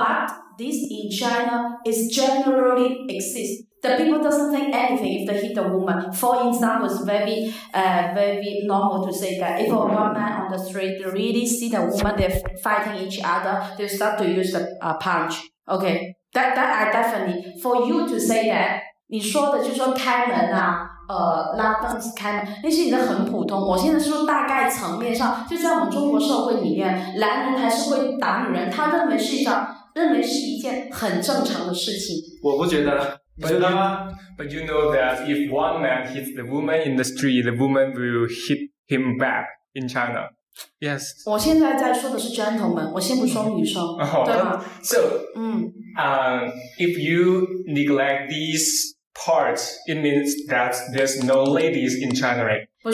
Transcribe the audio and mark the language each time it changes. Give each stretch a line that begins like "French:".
English: But this in China is generally exist. The people doesn't think anything if they hit a woman. For example, it's very, very normal to say that if a woman on the street really see the woman, they're fighting each other, they start to use a punch. Okay, that I definitely... For you to say that,
Chinese: 你说的就是说开门啊，拉凳子开门，那是你的很普通。我现在说大概层面上，就在我们中国社会里面，男人还是会打女人，他认为是一件很正常的事情。我不觉得，你觉得吗？
English: But you know that if one man hits the woman in the street, the woman will hit him back in China. Yes.
Chinese: 我现在在说的是 gentleman， 我先不说女生， oh, 对吗？
English: So, 嗯， if you neglect these part, it means that there's no ladies in China, right?